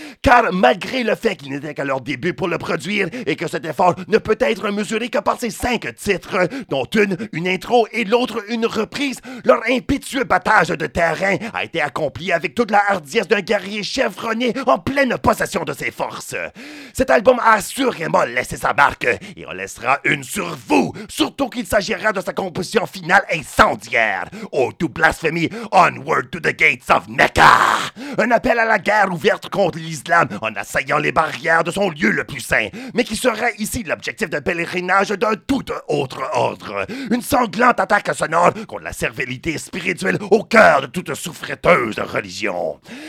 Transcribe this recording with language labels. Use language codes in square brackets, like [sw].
[fr] Car malgré le fait qu'ils n'étaient qu'à leur début pour le produire et que cet effort ne peut être mesuré que par ces 5 titres, dont une intro et l'autre une reprise, leur impétueux battage de terrain a été accompli avec toute la hardiesse d'un guerrier chevronné en pleine possession de ses forces. Cet album a assurément laissé sa marque et en laissera une sur vous, surtout qu'il s'agira de sa composition finale incendiaire. [en] Oh, to blasphemy, onward to the gates of Mecca! [fr] Un appel à la guerre ouverte contre l'Islam en assaillant les barrières de son lieu le plus saint, mais qui serait ici l'objectif d'un pèlerinage d'un tout autre ordre. Une sanglante attaque sonore contre la servilité spirituelle au cœur de toute souffreteuse religion.